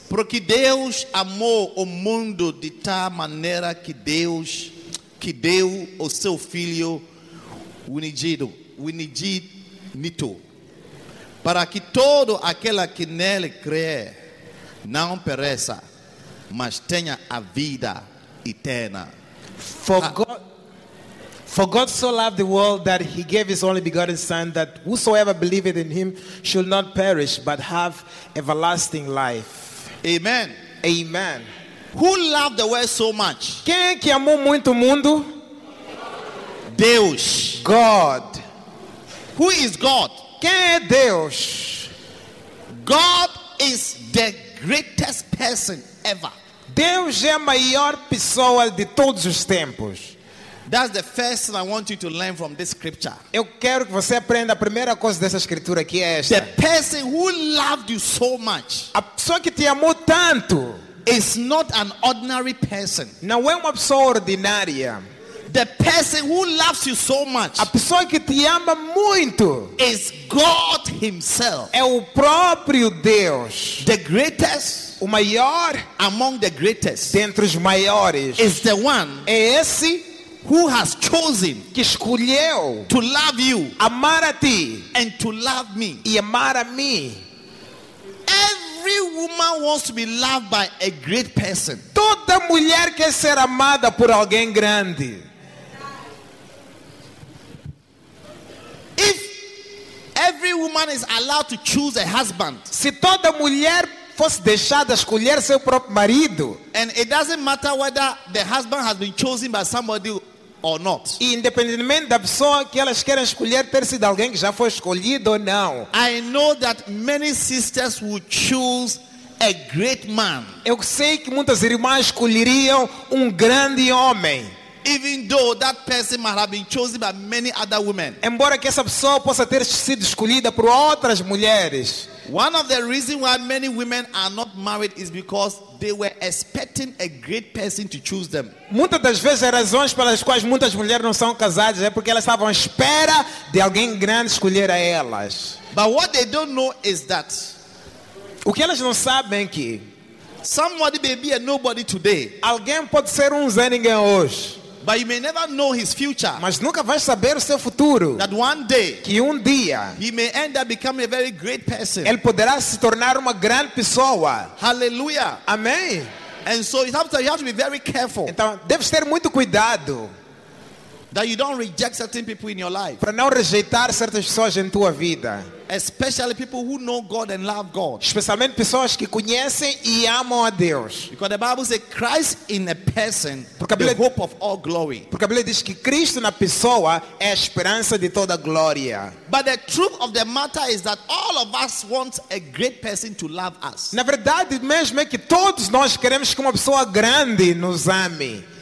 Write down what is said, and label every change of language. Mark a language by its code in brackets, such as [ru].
[pt] Porque Deus amou o mundo de tal maneira que Deus que deu o seu filho unigênito para que todo aquele que nele crê não pereça, mas tenha a vida eterna. [en] For God so loved the world that he gave his only begotten son, that whosoever believeth in him should not perish but have everlasting life. Amen. Amen. Who loved the world so much? [pt] Quem que amou muito o mundo? Deus. [en] God. Who is God? [pt] Quem é Deus? [en] God is the greatest person ever. [pt] Deus é a maior pessoa de todos os tempos. [en] That's the first thing I want you to learn from this scripture. [pt] Eu quero que você aprenda a primeira coisa dessa escritura que é esta. [en] The person who loved you so much. [pt] A pessoa que te amou tanto. [en] Is not an ordinary person. [pt] Não é uma pessoa ordinária. [en] The person who loves you so much. [pt] A pessoa que te ama muito. [en] Is God himself. [pt] É o próprio Deus. [en] The greatest. [pt] O maior. [en] Among the greatest. [pt] Dentre os maiores. [en] Is the one. [pt] É esse. [en] Who has chosen [pt] que escolheu [en] to love you, [pt] amar a ti, [en] and to love me, [pt] e amar a mim. [en] Every woman wants to be loved by a great person. [pt] Toda mulher quer ser amada por alguém grande. [en] If every woman is allowed to choose a husband, [pt] se toda mulher fosse deixada escolher seu próprio marido, [en] and it doesn't matter whether the husband has been chosen by somebody or not. [pt] E independentemente da pessoa que elas querem escolher ter sido alguém que já foi escolhido ou não. [en] I know that many sisters would choose a great man. [pt] Eu sei que muitas irmãs escolheriam grande homem. [en] Even though that person might have been chosen by many other women. [pt] Embora que essa pessoa possa ter sido escolhida por outras mulheres. [en] One of the reasons why many women are not married is because they were expecting a great person to choose them. [pt] Muitas das vezes as razões pelas quais muitas mulheres não são casadas é porque elas estavam à espera de alguém grande escolher a elas. [en] But what they don't know is that. [pt] O que elas não sabem é que [en] somebody may be a nobody today. [pt] Alguém pode ser zé ninguém hoje. [en] But you may never know his future. [pt] Mas nunca vai saber o seu futuro. [en] That one day, [pt] que dia, [en] he may end up becoming a very great person. [pt] Ele poderá se tornar uma grande pessoa. [en] Hallelujah. [pt] Amém. [en] And so you have to be very careful. [pt] Então deve ter muito cuidado. [en] That you don't reject certain people in your life. [pt] Para não rejeitar certas pessoas em tua vida. [en] Especially people who know God and love God. [pt] Especialmente pessoas que conhecem e amam a Deus. [en] Because the Bible says Christ in a person, the hope of all glory. [pt] Porque a Bíblia diz que Cristo na pessoa é a esperança de toda glória. [en] But the truth of the matter is that all of us want a great person to love us. [pt] Na verdade mesmo é que todos nós queremos que uma pessoa grande nos ame.